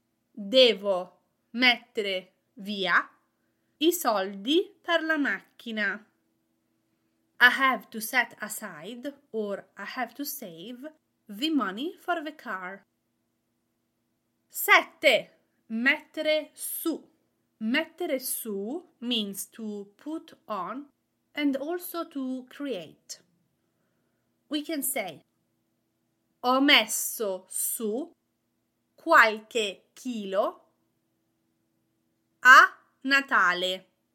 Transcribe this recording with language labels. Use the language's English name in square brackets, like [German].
[Italian] Devo mettere via i soldi per la macchina. [English] I have to set aside, or I have to save, the money for the car. 7. Mettere su. Mettere su means to put on and also to create. We can say [Italian] ho messo su qualche chilo a Natale.